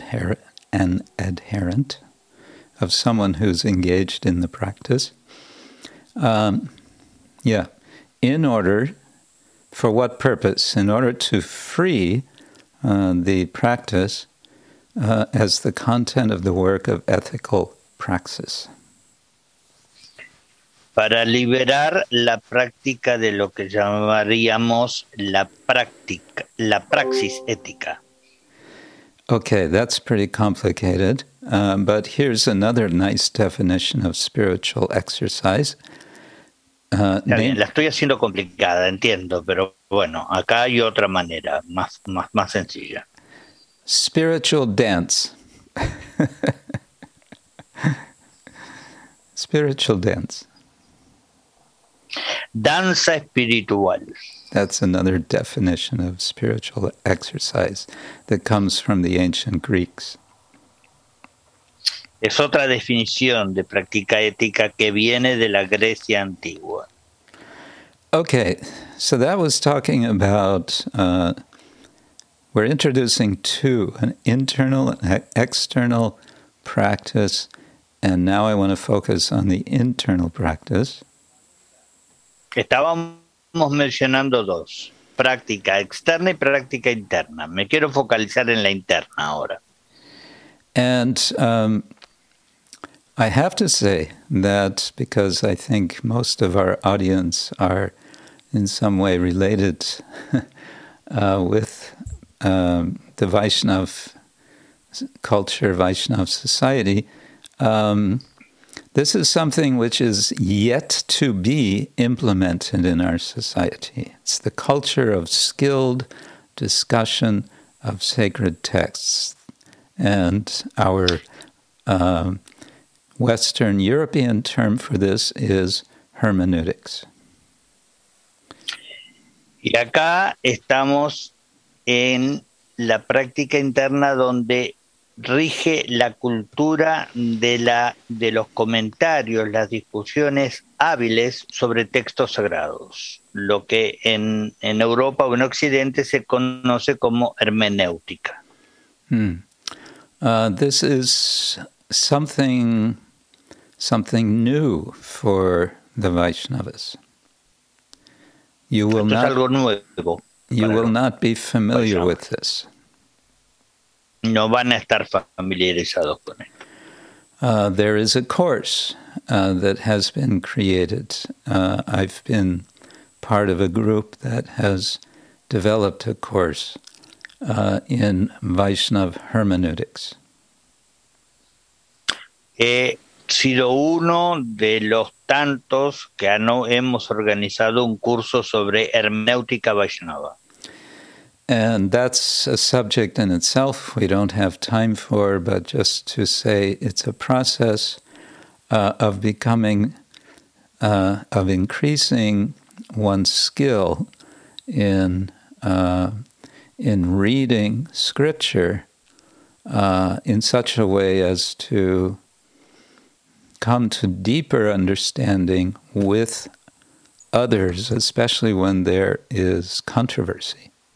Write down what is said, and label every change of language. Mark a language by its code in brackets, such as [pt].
[en] Of an adherent, of someone who's engaged in the practice. In order, for what purpose? In order to free the practice as the content of the work of ethical praxis. [es] Para liberar la práctica de lo que llamaríamos la praxis ética. [en] Okay, that's pretty complicated. But here's another nice definition of spiritual exercise. [es] La estoy haciendo complicada, entiendo, pero bueno, acá hay otra manera, más sencilla. [en] Spiritual dance. Spiritual dance. [es] Danza espiritual. [en] That's another definition of spiritual exercise that comes from the ancient Greeks. [es] Es otra definición de práctica ética que viene de la Grecia antigua. [en] Okay, so that was talking about, we're introducing two, an internal and external practice, and now I want to focus on the internal practice. [es] Estábamos mencionando dos, práctica externa y práctica interna. Me quiero focalizar en la interna ahora. [en] And I have to say that because I think most of our audience are in some way related with the Vaishnav culture, Vaishnav society, this is something which is yet to be implemented in our society. It's the culture of skilled discussion of sacred texts. And our Western European term for this is hermeneutics. [es] Y acá estamos en la práctica interna donde rige la cultura de los comentarios, las discusiones hábiles sobre textos sagrados, lo que en Europa o en Occidente se conoce como hermenéutica. [en] This is something new for the Vaishnavas. You will not be familiar with this. [es] No van a estar familiarizados con él. [en] There is a course that has been created. I've been part of a group that has developed a course in Vaishnav hermeneutics. [es] He sido uno de los tantos que no hemos organizado un curso sobre hermenéutica Vaishnava. [en] And that's a subject in itself we don't have time for, but just to say it's a process of becoming, of increasing one's skill in reading scripture in such a way as to come to deeper understanding with others, especially when there is controversy.